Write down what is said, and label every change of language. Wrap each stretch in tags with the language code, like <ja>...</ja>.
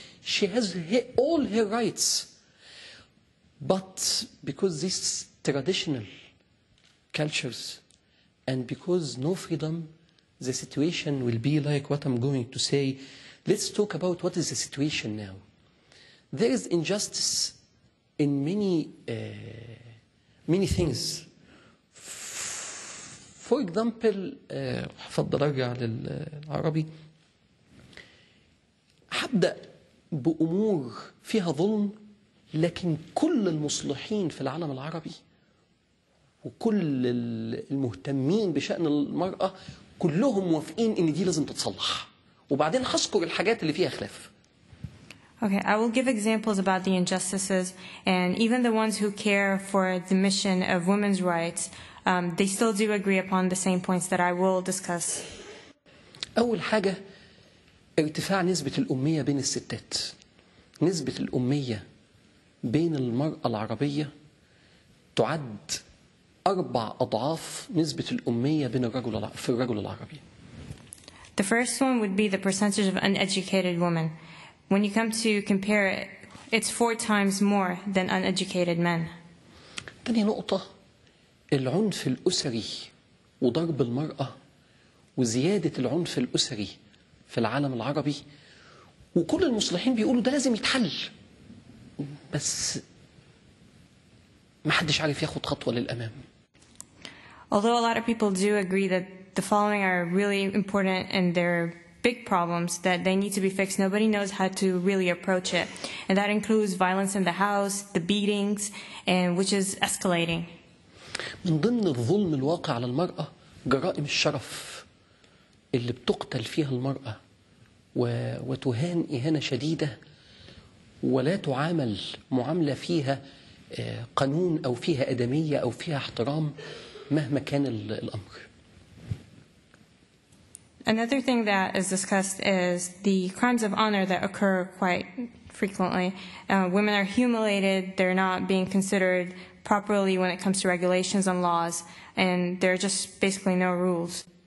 <en>She has all her rights. But because this traditional cultures, and because no freedom, the situation will be like what I'm going to say. Let's talk about what is the situation now. There is injustice in many things. For example,</en> <ar>حفظ رجع للعربي. حبدأ بأمور فيها ظلم، لكن كل المصلحين في العالم العربي. وكل المهتمين بشأن المرأة كلهم موافقين إن دي لازم تتصلح وبعدين هذكر الحاجات اللي فيها خلاف.</ar> <en>Okay, I will give examples about the injustices and even the ones who care for the mission of women's rights, they still do agree upon the same points that I will discuss.</en> <ar>أول حاجة ارتفاع نسبة الأمية بين الستات. نسبة الأمية بين المرأة العربية تعد 4 أضعاف نسبة الأمية بين الرجل في الرجل العربي.</ar> <en>The first one would be the percentage of uneducated women. When you come to compare it, it's 4 times more than uneducated men.</en> <ar>تاني نقطة العنف الأسري وضرب المرأة وزيادة العنف الأسري في العالم العربي وكل المصلحين بيقولوا ده لازم يتحل بس ما حدش عارف ياخد خطوة للأمام.</ar> <en>Although a lot of people do agree that the following are really important and they're big problems that they need to be fixed, nobody knows how to really approach it. And that includes violence in the house, the beatings, and which is escalating.</en> <ar>من ضمن الظلم الواقع على المرأة جرائم الشرف اللي بتقتل فيها المرأة وتهان إهانة شديدة ولا تعامل معاملة فيها قانون أو فيها أدمية أو فيها احترام مهما كان الأمر.</ar> <en>Another thing that is discussed is the crimes of honor that occur quite frequently. Women are humiliated, they're not being considered properly when it comes to regulations and laws, and there are just basically no rules.</en>